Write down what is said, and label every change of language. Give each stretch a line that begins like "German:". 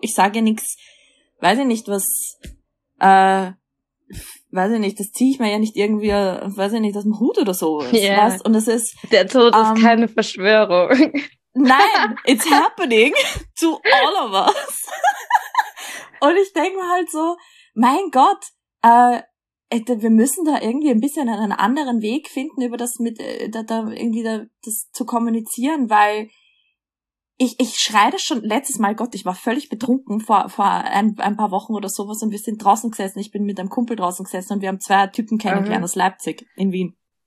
German: Ich sage ja nichts, das ziehe ich mir ja nicht irgendwie, aus dem Hut oder so.
English: Yeah.
German: Und es ist, der Tod ist keine Verschwörung. Nein,
English: it's happening to all of us.
German: Und ich denke mir halt so, mein Gott, wir müssen da irgendwie ein bisschen einen anderen Weg finden, über das mit das zu kommunizieren, weil ich schreie das schon letztes Mal, Gott, ich war völlig betrunken vor ein paar Wochen oder sowas, und wir sind draußen gesessen, ich bin mit einem Kumpel draußen gesessen und wir haben zwei Typen kennengelernt aus Leipzig in Wien.